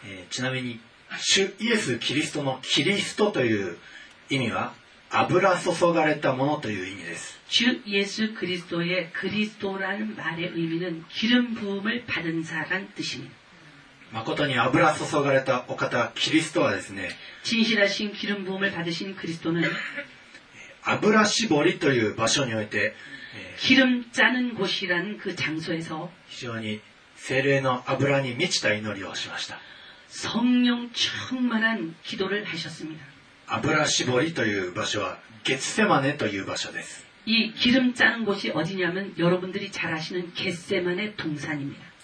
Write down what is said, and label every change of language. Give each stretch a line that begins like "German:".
Japanese: ちなみに主イエスキリストのキリストという意味は、油注がれたものという意味です。
Korean: 主イエスキリストのキリストという 말의의미는기름부음을받은자란뜻입니다。
Japanese: まことに油注がれたお方キリストはですね、
Korean: 진실하신기름부음을받으신그리스도는
Japanese: 油絞りという場所において、
Korean: 기름짜는곳이라는그장소에서
Japanese: 非常に聖霊の油に満ちた祈りをしました。
Korean: 성령충만한기도를하셨습니다。
Japanese: 油絞りという場所は、ゲッセマネという場所です。
Korean: 이기름짜는곳이어디냐면、여러분들이잘아시는ゲッセマネ동산입니다。